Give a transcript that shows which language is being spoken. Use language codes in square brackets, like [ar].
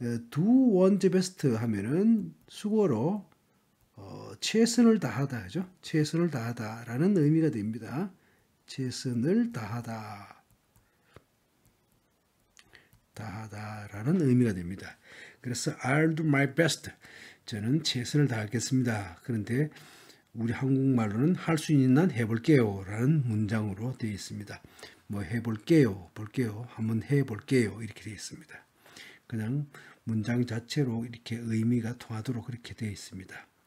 [en] do one's best [ko] 하면은 수고로 최선을 다하다 하죠. 최선을 다하다 라는 의미가 됩니다. 최선을 다하다 다하다라는 의미가 됩니다. [en] 그래서 I'll do my best. [ko] 저는 최선을 다하겠습니다. 그런데 우리 한국말로는 할 수 있는 한 해볼게요 라는 문장으로 되어 있습니다. 뭐 해볼게요 볼게요 한번 해볼게요 이렇게 되어 있습니다. 그냥 문장 자체로 이렇게 의미가 통하도록 그렇게 되어 있습니다.